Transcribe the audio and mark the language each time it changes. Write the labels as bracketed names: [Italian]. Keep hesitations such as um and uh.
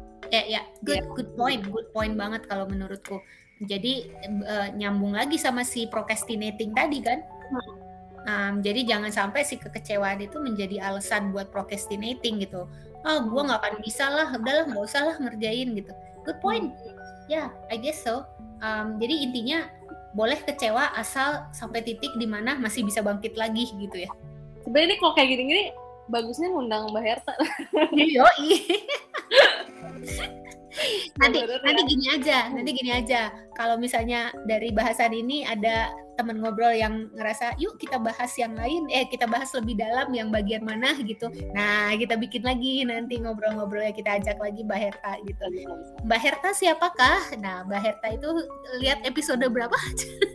[Indonesian] Ya yeah, ya yeah. good yeah. [English] good point good point [Indonesian] banget kalau menurutku. Jadi uh, nyambung lagi sama si procrastinating tadi kan. Hmm. Um, jadi jangan sampai si kekecewaan itu menjadi alasan buat procrastinating gitu. Oh, gue nggak akan bisa lah, udahlah nggak usah lah ngerjain gitu. [English] Good point, hmm yeah, I guess so. [Indonesian] Um, jadi intinya boleh kecewa asal sampai titik di mana masih bisa bangkit lagi gitu ya. Sebenarnya kalau kayak gini-gini bagusnya ngundang Mbak Herta. Yoi. nanti Adul-adul nanti ya. gini aja nanti gini aja kalau misalnya dari bahasan ini ada teman ngobrol yang ngerasa yuk kita bahas yang lain eh kita bahas lebih dalam yang bagian mana gitu nah kita bikin lagi nanti ngobrol-ngobrol ya kita ajak lagi mbak Herta gitu mbak Herta siapakah nah mbak Herta itu lihat episode berapa aja.